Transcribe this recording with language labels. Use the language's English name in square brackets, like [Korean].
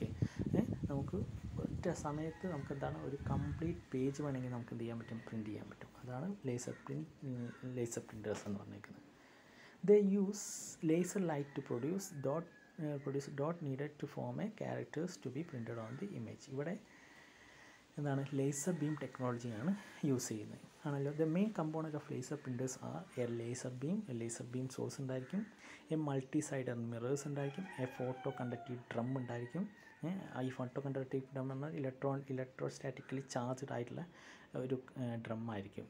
[Malayalam] Okay, നമുക്ക് ഒറ്റ സമയത്ത് നമുക്ക് എന്താണ് ഒരു കംപ്ലീറ്റ് പേജ് വേണമെങ്കിൽ നമുക്ക് എന്ത് ചെയ്യാൻ പറ്റും, പ്രിൻ്റ് ചെയ്യാൻ പറ്റും. അതാണ് ലേസർ പ്രിൻറ്റേഴ്സ് എന്ന് പറഞ്ഞിരിക്കുന്നത്. [English] They use laser light to produce dot needed to form a characters to be printed on the image. [Malayalam] ഇവിടെ എന്താണ് ലേസർ ബീം ടെക്നോളജിയാണ് യൂസ് ചെയ്യുന്നത് ആണല്ലോ. [English] the main component of laser printers uh a laser beam, a laser beam source [Malayalam] ഉണ്ടായിരിക്കും, [English] A multi sided mirrors ഉണ്ടായിരിക്കും, a photo conductive drum ഉണ്ടായിരിക്കും. [Malayalam] ഈ photo conductive drum എന്നാൽ ഇലക്ട്രോസ്റ്റാറ്റിക്കലി ചാർജ്ഡ് ആയിട്ടുള്ള ഒരു ഡ്രം ആയിരിക്കും.